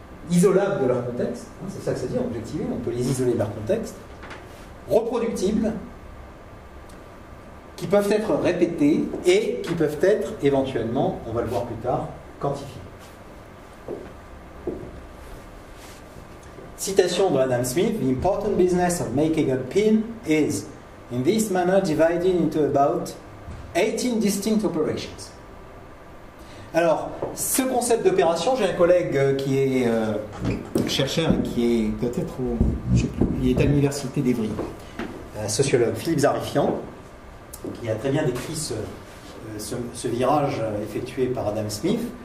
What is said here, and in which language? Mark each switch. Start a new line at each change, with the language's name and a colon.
French: isolables de leur contexte, hein, c'est ça que ça dit, objectivées, on peut les isoler de leur contexte, reproductibles, qui peuvent être répétées et qui peuvent être éventuellement, on va le voir plus tard, quantifiées. Citation de Adam Smith,
English: the important business of making a pin is in this manner divided into about 18 distinct operations.
French: Alors, ce concept d'opération, j'ai un collègue qui est chercheur, qui est peut-être il est à l'université d'Evry, sociologue Philippe Zarifian, qui a très bien décrit ce virage effectué par Adam Smith.